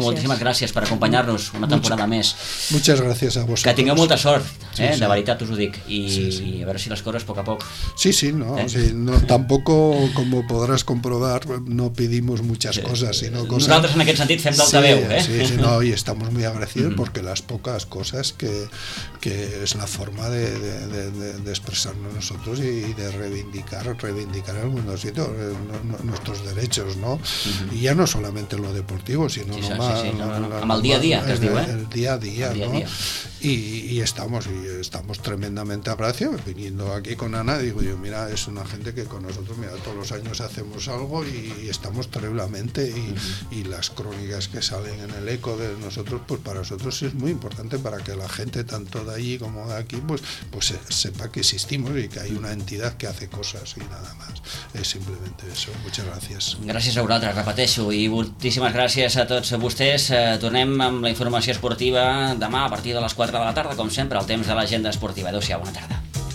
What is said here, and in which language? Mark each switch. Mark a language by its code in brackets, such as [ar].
[ca] Moltíssimes gràcies per acompanyar-nos una temporada més. Moltes gràcies a vosaltres. Que tingueu molta sort, de veritat us ho dic. I a veure si les coses poc a poc... Sí, no. Tampoc, com podràs comprovar, [es] no pedimos muchas cosas, [ca] sinó coses... Nosaltres en aquest sentit fem d'altaveu, [es] No, y estamos muy agradecidos porque las pocas cosas que es la forma de expresarnos nosotros y de reivindicar el mundo. Nuestros derechos, ¿no? Uh-huh. Y ya no solamente lo deportivo, sino lo más... [ca] Amb el dia a dia, que es diu, [es] El dia a dia, ¿no? Y estamos tremendamente agradecidos viniendo aquí con Ana. Digo yo, mira, es una gente que con nosotros, mira, todos los años hacemos algo y estamos tremendamente. Y, uh-huh. y las crónicas que salen en el eco de nosotros, pues para nosotros es muy importante, para que la gente, tanto de allí como de aquí, pues sepa que existimos y que hay una entidad que hace cosas y nada más. Es simplemente eso. Muchas gracias. [ca] Gràcies a vosaltres, repeteixo. I moltíssimes gràcies a tots vostès. Tornem amb la informació esportiva demà a partir de les 4 de la tarda, com sempre, al temps de l'agenda esportiva. Adéu-siau, bona tarda.